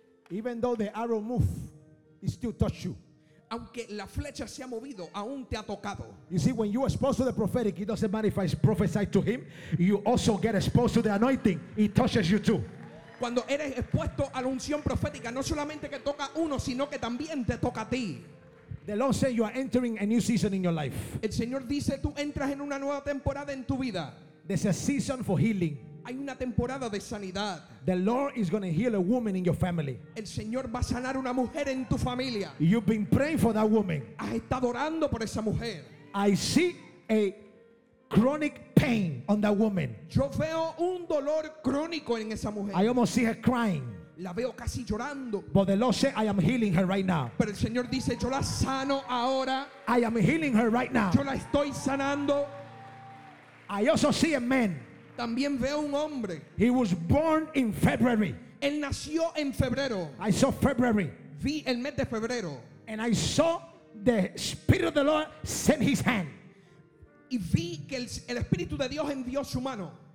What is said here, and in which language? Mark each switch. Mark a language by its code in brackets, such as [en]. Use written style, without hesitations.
[en] Even though the arrow move, it still touched you. [es] Aunque la flecha se ha movido, aún te ha tocado. [en] You see, when you expose to the prophetic, it doesn't matter if I prophesy to him, you also get exposed to the anointing. It touches you too. [es] Cuando eres expuesto a la unción profética, no solamente que toca uno, sino que también te toca a ti. [en] The Lord says you are entering a new season in your life. [es] El Señor dice, tú entras en una nueva temporada en tu vida. [en] There's a season for healing. [es] Hay una temporada de sanidad. [en] The Lord is going to heal a woman in your family. [es] El Señor va a sanar una mujer en tu familia. [en] You've been praying for that woman. [es] Has estado orando por esa mujer. [en] I see a chronic pain on that woman. [es] Yo veo un dolor crónico en esa mujer. [en] I almost see her crying. [es] La veo casi llorando. [en] But the Lord said, I am healing her right now. [es] Pero el Señor dice, yo la sano ahora. [en] I am healing her right now. [es] Yo la estoy sanando. [en] I also see a man. [es] También veo un hombre. [en] He was born in February. [es] Él nació en febrero. [en] I saw February. [es] Vi el mes de febrero. [en] And I saw the Spirit of the Lord send his hand. [es] Y vi que el Espíritu de Dios envió su mano.